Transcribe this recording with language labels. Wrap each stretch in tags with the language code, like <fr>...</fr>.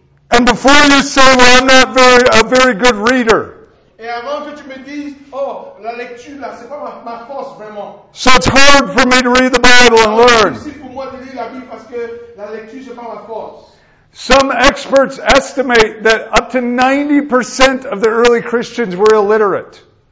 <en>And before you say, well, I'm not a very good reader.</en> <fr>Et avant que tu me dises, oh, la lecture là, c'est pas ma force vraiment.</fr> <en>So it's hard for me to read the Bible and learn.</en> <fr>C'est difficile pour moi de lire la Bible parce que la lecture c'est pas ma force.</fr> <en>Some experts estimate that up to 90% of the early Christians were illiterate.</en>